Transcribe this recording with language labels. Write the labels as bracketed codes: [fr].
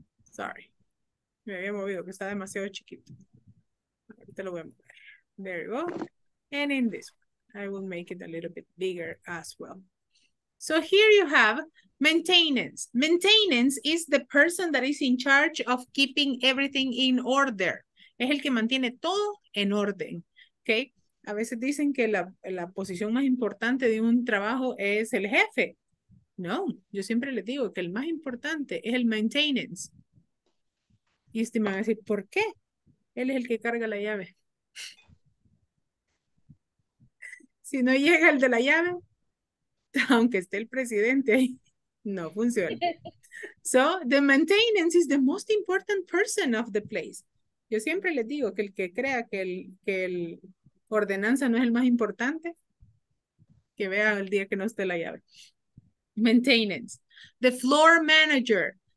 [es] Sorry. Me había movido, que está demasiado chiquito. Ahorita lo voy a mover. [en] There you go. And in this one, I will make it a little bit bigger as well. So here you have maintenance. Maintenance is the person that is in charge of keeping everything in order. [es] Es el que mantiene todo en orden. Okay? A veces dicen que la posición más importante de un trabajo es el jefe. No, yo siempre les digo que el más importante es el maintenance. Y usted me va a decir, ¿por qué? Él es el que carga la llave. Si no llega el de la llave, aunque esté el presidente ahí, no funciona. [en] So, the maintenance is the most important person of the place. [es] Yo siempre les digo que el que crea que el ordenanza no es el más importante, que vea el día que no esté la llave. Maintenance. [en] The floor manager.